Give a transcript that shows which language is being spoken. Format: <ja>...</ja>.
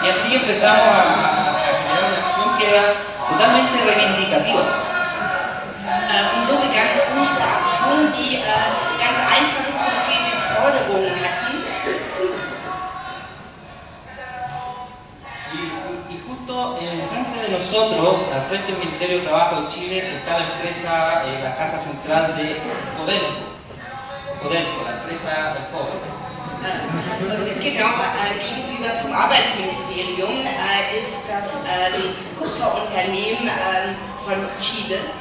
<es>Empezamos a generar una acción que era totalmente reivindicativa.</es> <de>Und so begann unsere Aktion, die ganz einfache, konkrete Forderungen hatten.</de> <es>Y justo en frente nosotros, al frente del Ministerio de Trabajo de Chile, está la empresa, la Casa Central de Codelco. Codelco, la empresa del pobre.</es> <de>Genau, gegenüber vom Arbeitsministerium ist das Kupferunternehmen von Chile.</de>